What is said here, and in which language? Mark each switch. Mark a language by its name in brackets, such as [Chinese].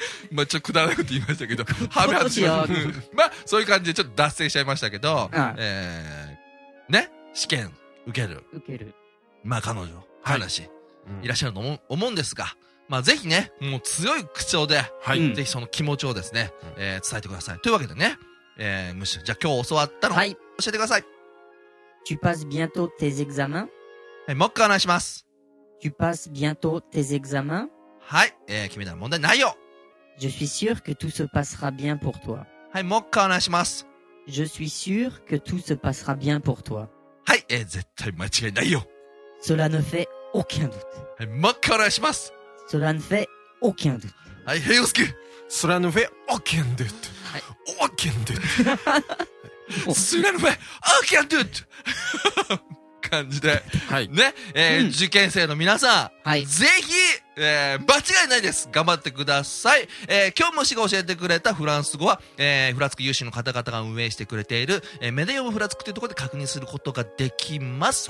[Japanese] まあちょっとくだらなくて言いましたけど、ハメ外しまあそういう感じでちょっと脱線しちゃいましたけど、ね、試験受ける、受ける、まあ彼女、はい、話、いらっしゃると思うんですが、まあぜひね、もう強い口調で、はい、ぜひその気持ちをですね、伝えてください。というわけでね、むしろじゃあ今日教わったの、はい、教えてください。 [French] Tu passes bientôt tes examens。 [Japanese] もう一回話します。 [French] Tu passes bientôt tes examens。 [Japanese] はい、決めた問題ないよ。 [French] Je suis sûr que tout se passera bien pour toi。 [Japanese] はい、もう一回話します。 [French] Je suis sûr que tout se passera bien pour toi。 [Japanese] はい、絶対間違いないよ。 [French] Cela ne fait aucun doute。 [Japanese] はい、もう一回話します。 [French] Cela ne fait aucun doute。 [Japanese] はい、平洋介。 [French] Cela ne fait aucun doute。 [Japanese] はい、 [French] aucun doute。 [Japanese] スラヌフェオキャンドゥト感じで、はい、ね、受験生の皆さん、はい、ぜひ、間違いないです。頑張ってください。今日もしが教えてくれたフランス語は、フラツク有志の方々が運営してくれている、メディオムフラツクというところで確認することができます。